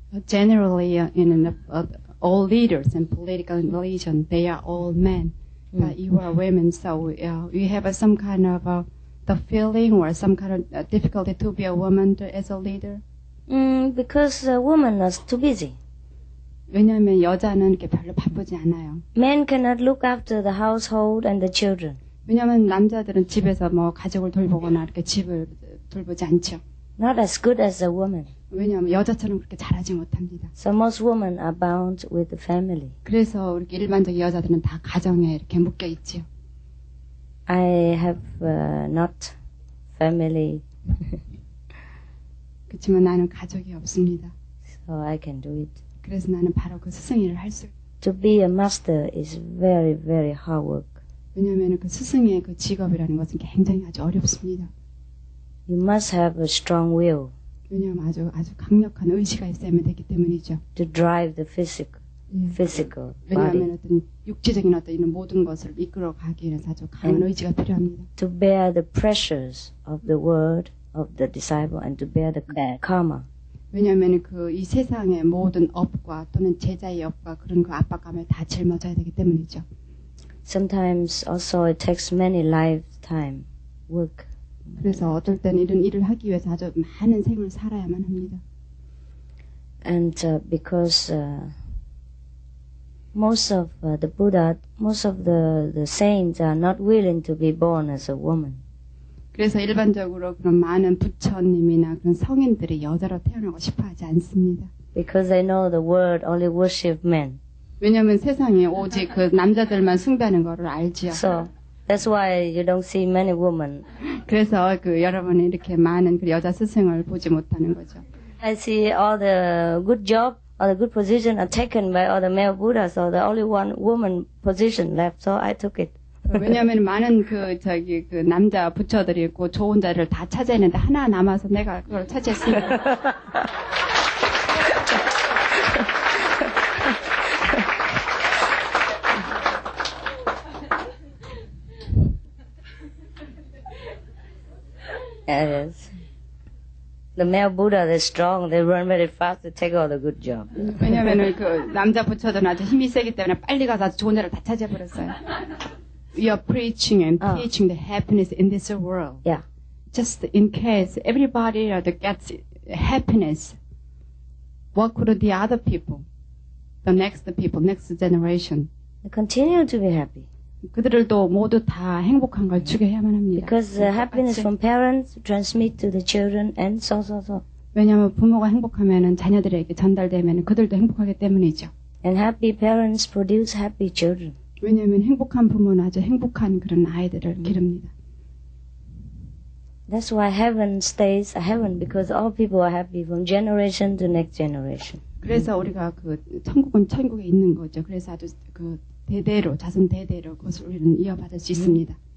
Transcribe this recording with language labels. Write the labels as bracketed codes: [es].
[en] Generally, in all leaders and political religion, they are all men. Mm. But you are women, so you have some kind of the feeling or some kind of difficulty to be a woman as a leader? Because a woman is too busy. [ko] 왜냐하면 여자는 이렇게 별로 바쁘지 않아요. [en] Men cannot look after the household and the children. [ko] 왜냐하면 남자들은 집에서 뭐 가족을 돌보거나 이렇게 집을 돌보지 않죠. [en] Not as good as a woman. [ko] 왜냐하면 여자처럼 그렇게 잘하지 못합니다. [en] So most women are bound with the family. [ko] 그래서 우리 일반적인 여자들은 다 가정에 이렇게 묶여 있지요. [en] I have not family. [ko] 그렇지만 나는 가족이 없습니다. [en] So I can do it. [ko] 그래서 나는 바로 그 스승이를 할 수. [en] To be a master is very, very hard work. [ko] 왜냐하면 그 스승의 그 직업이라는 것은 굉장히 아주 어렵습니다. [en] You must have a strong will. [ko] 왜냐하면 아주 아주 강력한 의지가 있어야만 되기 때문이죠. [en] To drive the physical body. [ko] 왜냐하면 어떤 육체적인 어떤 이런 모든 것을 이끌어가기 위해서 아주 강한 and 의지가 필요합니다. [en] To bear the pressures of the world of the disciple and to bear the karma. [ko] 왜냐하면 그 이 세상의 모든 업과 또는 제자의 업과 그런 그 압박감을 다 짊어져야 되기 때문이죠. [en] Sometimes also it takes many lifetime work. [ko] 그래서 어떨 때는 이런 일을 하기 위해서 아주 많은 생을 살아야만 합니다. [en] And because most of the Buddha, most of the saints are not willing to be born as a woman. [ko] 그래서 일반적으로 그런 많은 부처님이나 그런 성인들이 여자로 태어나고 싶어하지 않습니다. [en] Because they know the world only worship men. [ko] 왜냐하면 세상에 오직 그 남자들만 숭배하는 것을 알지요. [en] So that's why you don't see many women. [ko] 그래서 그 여러분이 이렇게 많은 그 여자 스승을 보지 못하는 거죠. [en] I see all the good job, all the good position are taken by all the male Buddha, so the only one woman position left, so I took it. [ko] 왜냐하면 많은 그 저기 그 남자 부처들이 있고 좋은 자리를 다 차지했는데 하나 남아서 내가 그걸 차지했습니다. [en] Yes. The male Buddha, they're strong. They run very fast. They take all the good job. [ko] 왜냐하면 그 남자 부처들은 아주 힘이 세기 때문에 빨리 가서 아주 좋은 자리를 다 차지해버렸어요. [en] You are preaching and teaching the happiness in this world. Yeah. Just in case everybody gets happiness, what could the other people, the next people, next generation, continue to be happy? [ko] 그들도 모두 다 행복한 걸 추구해야만 합니다. [en] Because the happiness from parents transmit to the children and so. [ko] 왜냐하면 부모가 행복하면은 자녀들에게 전달되면은 그들도 행복하기 때문이죠. [en] And happy parents produce happy children. [ko] 왜냐하면 행복한 부모는 아주 행복한 그런 아이들을 기릅니다. [en] That's why heaven stays a heaven because all people are happy from generation to next generation. [ko] 그래서 우리가 그 천국은 천국에 있는 거죠. 그래서 아주 그 대대로 자손 대대로 그것을 우리는 이어받을 수 있습니다.